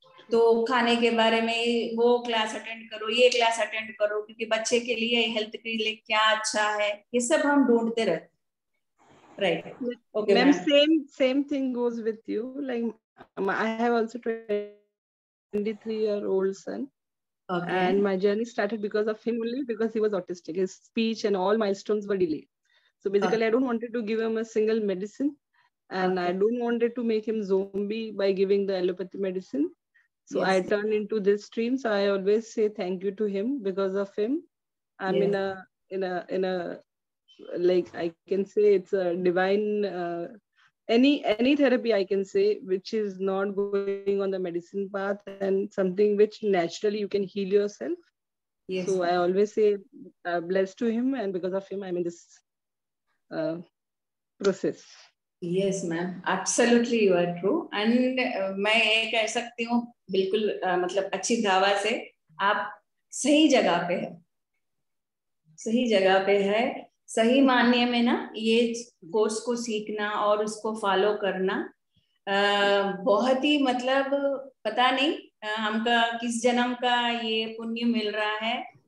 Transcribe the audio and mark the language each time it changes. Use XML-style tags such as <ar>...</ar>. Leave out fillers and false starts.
<hi>तो खाने के बारे में वो क्लास अटेंड करो, ये क्लास अटेंड करो, क्योंकि बच्चे के लिए हेल्थ के लिए क्या अच्छा है, ये सब हम ढूंढते रहते, right?</hi> <en>Okay ma'am, same thing goes with you, like I have also 23 year old son. Okay. And my journey started because of him only, because he was autistic. His speech and all milestones were delayed. So basically, okay, I don't wanted to give him a single medicine, and okay, I don't wanted to make him zombie by giving the allopathy medicine. So yes, I turned into this stream. So I always say thank you to him, because of him, I'm yeah, in a like I can say it's a divine. Any therapy I can say which is not going on the medicine path and something which naturally you can heal yourself. Yes. So I always say blessed to him, and because of him I'm in this process. Yes ma'am, absolutely you are true.</en> <hi>And मैं ये कह सकती हूँ बिल्कुल मतलब अच्छी धावा से, आप सही जगह पे है, सही जगह पे है, सही मानने में ना, ये कोर्स को सीखना और उसको फॉलो करना बहुत ही मतलब पता नहीं हमका किस जन्म का ये पुण्य मिल रहा है।</hi>